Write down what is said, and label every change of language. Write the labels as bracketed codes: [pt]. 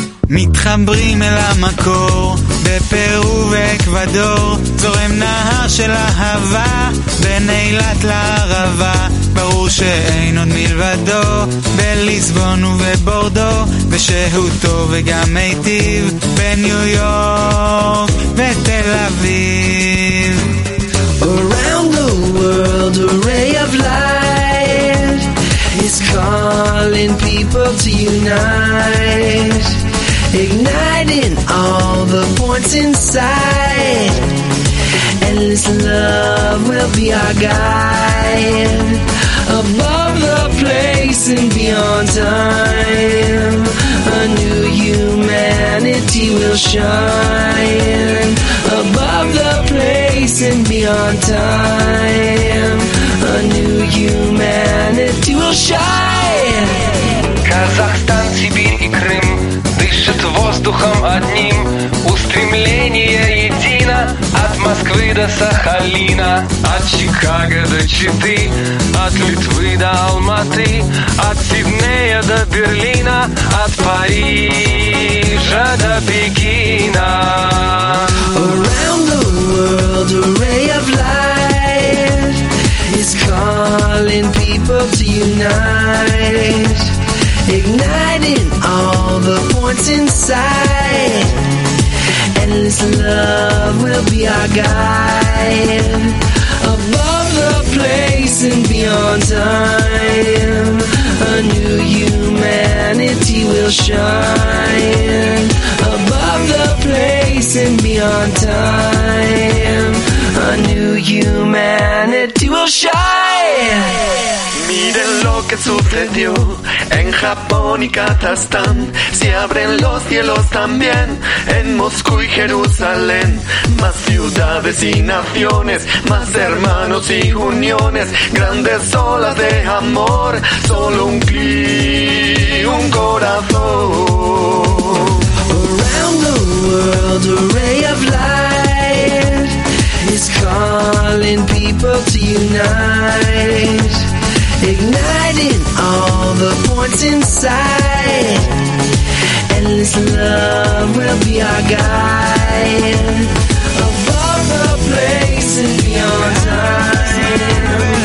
[he] מתחברים אל המקור בפרו ואקוודור זורם נהר של אהבה בין אילת לערבה ברור שאין עוד מלבדו בליסבון ובבורדו ושהוא טוב וגם מיטיב בניו יורק ותל אביב [en] Around the world a ray of light is calling people to unite tonight, igniting all the points inside. Endless love will be our guide, above the place and beyond time. A new humanity will shine, above the place and beyond time. A new humanity will shine. [ru] Казахстан, Сибирь и Крым дышат воздухом одним. Устремление едино от Москвы до Сахалина, от Чикаго до Читы, от Литвы до Алматы, от Сиднея до Берлина, от Парижа до Пекина. [en] Around the world a ray of light is calling people to unite, igniting all the points inside. Endless love will be our guide, above the place and beyond time. A new humanity will shine, above the place and beyond time. A new humanity will shine. [es] Miren lo que sucedió en Japón y Kazajstán. Se abren los cielos también en Moscú y Jerusalén. Más ciudades y naciones, más hermanos y uniones, grandes olas de amor, solo un clic, un corazón. [en] Around the world a ray of light is calling people to unite, igniting all the points inside. Endless love will be our guide, above the place and beyond time.